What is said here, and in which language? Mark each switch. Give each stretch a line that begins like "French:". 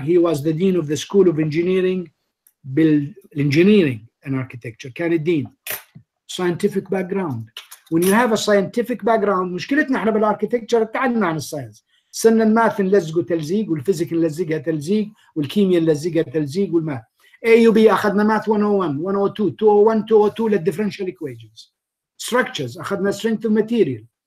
English: He was the dean of the school of engineering بالengineering and architecture.
Arabic: كان الدين
English: scientific background. When you have a scientific background,
Arabic: مشكلتنا احنا بالarchitecture تعلمنا عن الساينس. سن الماث نلزقه تلزيق والفيزيك نلزقها تلزيق والكيمياء نلزقها تلزيق والماث. A U B أخذنا math 101, 102, 201, 202 للdifferential equations.
English: Structures أخذنا strength of material.